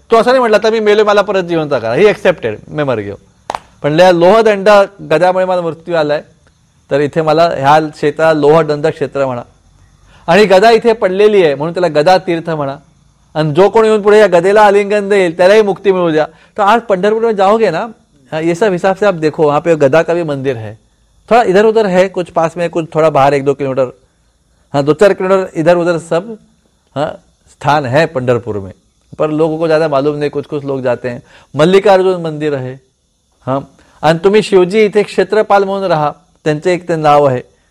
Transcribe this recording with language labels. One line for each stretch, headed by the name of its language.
Marathi: तो असा नाही म्हटला आता मी मेले मला परत जिवंत करा, ही ॲक्सेप्टेड मेमर घेऊ, पण या लोहदंड गदामुळे मला मृत्यू आला आहे, तर इथे मला ह्या क्षेत्रा लोहदंड क्षेत्र म्हणा, आणि गदा इथे पडलेली आहे म्हणून त्याला गदा तीर्थ म्हणा, आणि जो कोणी येऊन पुढे या गदेला आलिंगन देईल त्यालाही मुक्ती मिळू द्या.
Hindi: तर आज पंढरपूरमध्ये जाओगे ना, ये सब हिसाब से आप देखो, वहां पे गदा का भी मंदिर है, थोड़ा इधर उधर है, कुछ पास में, कुछ थोड़ा बाहर एक दो किलोमीटर, हाँ दो चार किलोमीटर इधर उधर सब, हाँ स्थान है पंढरपुर में, पर लोगों को ज़्यादा मालूम नहीं, कुछ कुछ लोग जाते हैं. मल्लिकार्जुन मंदिर है,
Marathi: हाँ, आणि तुम्ही शिवजी इथे क्षेत्रपाल म्हणून राहा, त्यांचे एक ते नाव आहे.